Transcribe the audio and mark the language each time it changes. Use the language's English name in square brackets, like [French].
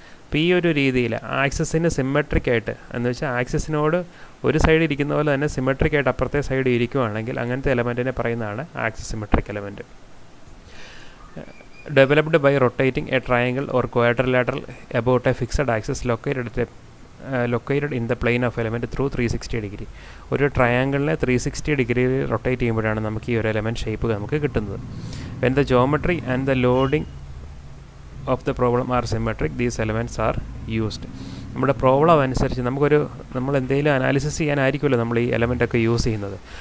[Malayalam] അപ്പോൾ ഈ ഒരു രീതിയിൽ ആക്സിസിന് സിമെട്രിക് ആയിട്ട്, എന്ന് വെച്ചാൽ ആക്സിസിനോട് ഒരു സൈഡ് ഇരിക്കുന്ന പോലെ തന്നെ സിമെട്രിക് ആയിട്ട് അപ്പുറത്തെ സൈഡ് ഇരിക്കുകയാണെങ്കിൽ അങ്ങനത്തെ എലമെൻറ്റിനെ പറയുന്നതാണ് axis symmetric element. [English] Developed by rotating a triangle or quadrilateral about a fixed axis located located in the plane of element through 360 degree. [Malayalam] ഒരു ട്രയാംഗിളിനെ 360 ഡിഗ്രിയിൽ റൊട്ടേറ്റ് ചെയ്യുമ്പോഴാണ് നമുക്ക് ഈ ഒരു എലമെൻറ്റ് ഷേപ്പ് നമുക്ക് കിട്ടുന്നത്. [English] When the geometry and the loading of the problem are symmetric, these elements are used. [Malayalam] നമ്മുടെ problem അനുസരിച്ച് നമുക്കൊരു നമ്മൾ എന്തെങ്കിലും അനാലിസിസ് ചെയ്യാനായിരിക്കുമല്ലോ നമ്മൾ ഈ എലമെൻറ്റൊക്കെ യൂസ് ചെയ്യുന്നത്.